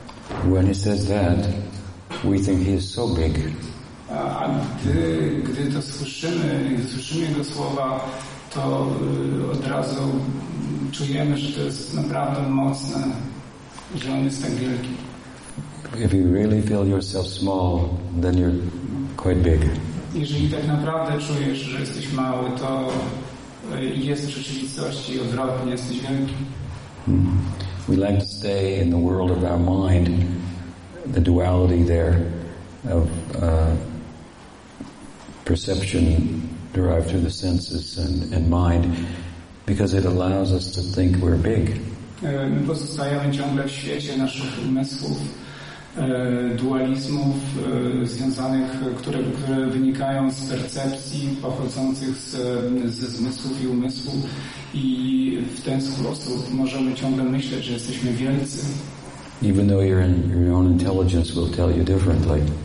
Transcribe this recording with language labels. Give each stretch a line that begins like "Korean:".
English: When he says that, we think he is so big.
Polish: A gdy to słyszymy jego słowa, to od razu czujemy, że to jest naprawdę mocne, że on jest tak wielki.
English: If you really feel yourself small, then you're quite big.
Polish: Jeżeli tak naprawdę czujesz, że jesteś mały, to jest w rzeczywistości odwrotnie, jesteś wielki.
English: We like to stay in the world of our mind, the duality there of perception derived through the senses and mind, because it allows us to think we're big.
Polish: My pozostajemy ciągle w świecie naszych umysłów, dualizmów związanych, które wynikają z percepcji pochodzących ze zmysłów i umysłu, i w ten sposób możemy ciągle myśleć, że jesteśmy wielcy.
English: Even though your own intelligence will tell you differently.